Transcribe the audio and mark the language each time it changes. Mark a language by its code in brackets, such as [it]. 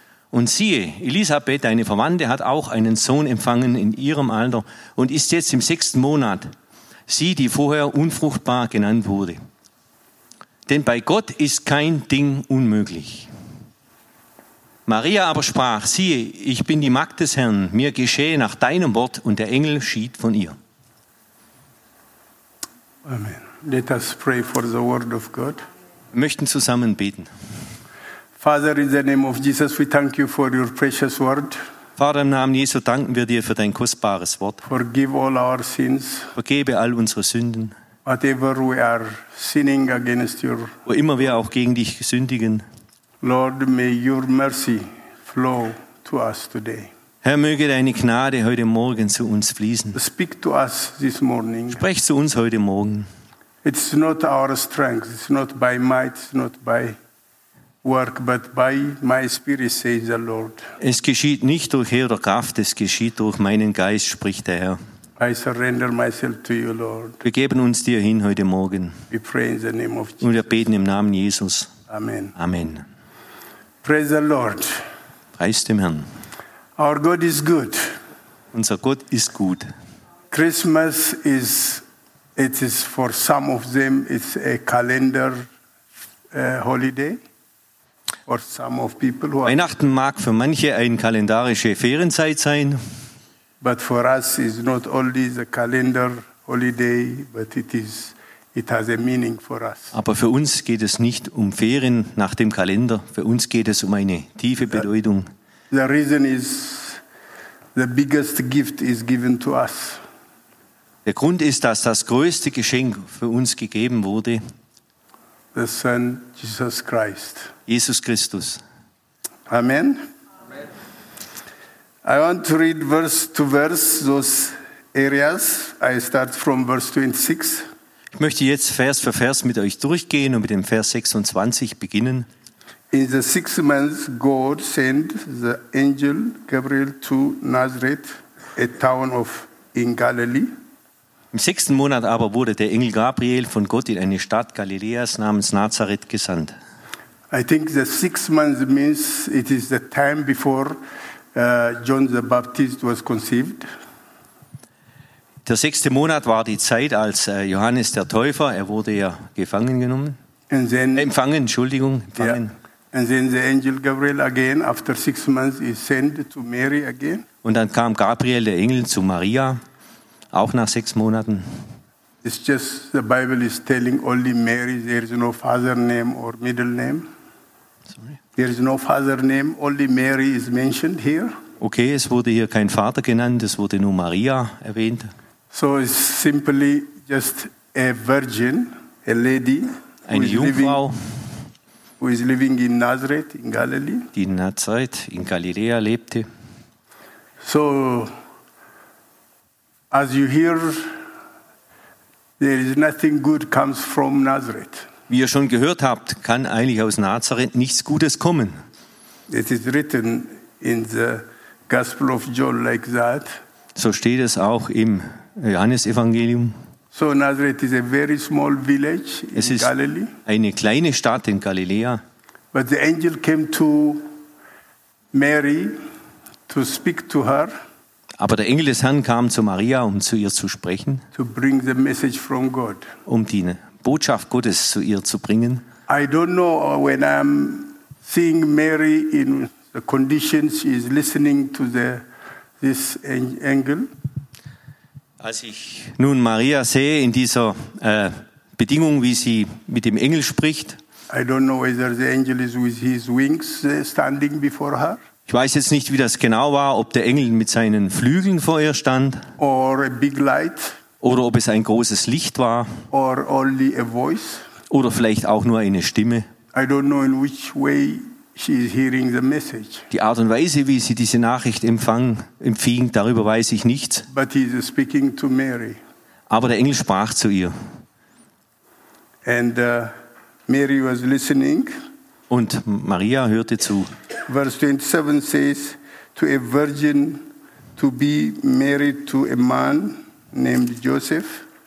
[de] Und siehe, Elisabeth, deine Verwandte, hat auch einen Sohn empfangen in ihrem Alter und ist jetzt im 6. Monat, sie, die vorher unfruchtbar genannt wurde. Denn bei Gott ist kein Ding unmöglich. Maria aber sprach: Siehe, ich bin die Magd des Herrn, mir geschehe nach deinem Wort. Und der Engel schied von ihr. Amen. [en] Let us pray for the word of God. [de] Wir möchten zusammen beten. [en] Father, in the name of Jesus, we thank you for your precious word. [de] Vater, im Namen Jesu danken wir dir für dein kostbares Wort. [en] Forgive all our sins. [de] Vergebe all unsere Sünden. [en] Whatever we are sinning against your. [de] Wo immer wir auch gegen dich sündigen. [en] Lord, may your mercy flow to us today. [de] Herr, möge deine Gnade heute Morgen zu uns fließen. [en] Speak to us this morning. [de] Sprech zu uns heute Morgen. [en] It's not our strength. It's not by might. It's not by work, but by my spirit, says the Lord. [de] Es geschieht nicht durch Heer oder Kraft, es geschieht durch meinen Geist, spricht der Herr. [en] I surrender myself to you, Lord. [de] Wir geben uns dir hin heute Morgen. [en] We pray in the name of Jesus. [de] Und wir beten im Namen Jesus. Amen. Amen. [en] Praise the Lord. [de] Preis dem Herrn. [en] Our God is good. [de] Unser Gott ist gut. [en] Christmas is, it is for some of them, it's a calendar holiday. For some of people who are [de] Weihnachten mag für manche eine kalendarische Ferienzeit sein. [en] But for us is not only the calendar holiday, but it has a meaning for us. [de] Aber für uns geht es nicht um Ferien nach dem Kalender, für uns geht es um eine tiefe Bedeutung. [en] The reason is the biggest gift is given to us. [de] Der Grund ist, dass das größte Geschenk für uns gegeben wurde. [en] The Son, Jesus Christ. [de] Jesus Christus. Amen. [en] I want to read verse to verse those areas. I start from verse 26. [de] Ich möchte jetzt Vers für Vers mit euch durchgehen und mit dem Vers 26 beginnen. [en] In the sixth month, God sent the angel Gabriel to Nazareth, a town of in Galilee. [de] Im sechsten Monat aber wurde der Engel Gabriel von Gott in eine Stadt Galiläas namens Nazareth gesandt. [en] I think the sixth month means it is the time before John the Baptist was conceived. [de] Der sechste Monat war die Zeit, als Johannes der Täufer, er wurde ja gefangen genommen. [en] And then, [de] empfangen. Yeah. [en] And then the angel Gabriel again after six months is sent to Mary again. [de] Und dann kam Gabriel der Engel zu Maria, auch nach sechs Monaten. [en] It's just the Bible is telling only Mary. There is no father name or middle name. Sorry. There is no father name. Only Mary is mentioned here. [de] Okay, es wurde hier kein Vater genannt. Es wurde nur Maria erwähnt. [en] So it's simply just a virgin, a lady, [de] eine Jungfrau, [en] who is living in Nazareth in Galilee. [de] Die in Nazareth in Galiläa lebte. [en] So, as you hear, there is nothing good comes from Nazareth. [de] Wie ihr schon gehört habt, kann eigentlich aus Nazareth nichts Gutes kommen. [en] It is written in the Gospel of John like that. [de] So steht es auch im Johannesevangelium. [en] So Nazareth is a very small village [de] es [en] in Galilee. [de] Eine kleine Stadt in Galiläa. [en] But the angel came to Mary to speak to her. [de] Aber der Engel des Herrn kam zu Maria, um zu ihr zu sprechen. [en] To bring the message from God. [de] Um die Botschaft Gottes zu ihr zu bringen. [en] I don't know when I'm seeing Mary in the conditions she is listening to this angel. [de] Als ich nun Maria sehe in dieser Bedingung, wie sie mit dem Engel spricht. [en] I don't know whether the angel is with his wings standing before her. [de] Ich weiß jetzt nicht, wie das genau war, ob der Engel mit seinen Flügeln vor ihr stand. [en] Or a big light. [de] Oder ob es ein großes Licht war. [en] Or only a voice. [de] Oder vielleicht auch nur eine Stimme. [en] I don't know in which way she is hearing the message. [de] Die Art und Weise, wie sie diese Nachricht empfing, darüber weiß ich nichts. [en] But he is speaking to Mary. [de] Aber der Engel sprach zu ihr. [en] And Mary was listening. [de] Und Maria hörte zu. [en] Verse 27 says, to a virgin to be married to a man named Joseph.